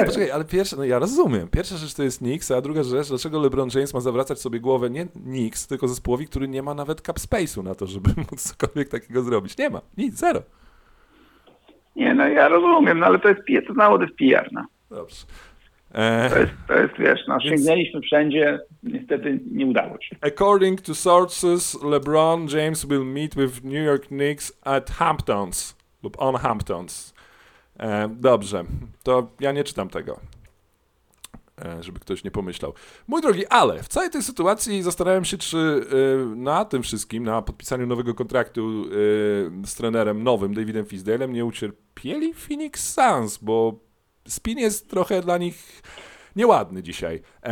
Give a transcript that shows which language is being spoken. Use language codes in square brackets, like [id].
[pl] Nie, poczekaj, ale pierwsza... No ja rozumiem. Pierwsza rzecz to jest Knicks, a druga rzecz, dlaczego LeBron James ma zawracać sobie głowę nie Knicks, tylko zespołowi, który nie ma nawet cap space'u na to, żeby móc cokolwiek takiego zrobić. Nie ma. Nic, zero. Nie, no ja rozumiem, no ale to jest mało to jest PR, no. Dobrze. To jest, wiesz, sięgnęliśmy wszędzie, niestety nie udało się. [en] According to sources, LeBron James will meet with New York Knicks at Hamptons [pl] lub [en] on Hamptons. [pl] Dobrze, to ja nie czytam tego, żeby ktoś nie pomyślał. Mój drogi, ale w całej tej sytuacji zastanawiam się, czy na tym wszystkim, na podpisaniu nowego kontraktu z trenerem nowym, Davidem Fizdalem, nie ucierpieli Phoenix Suns, bo spin jest trochę dla nich nieładny dzisiaj.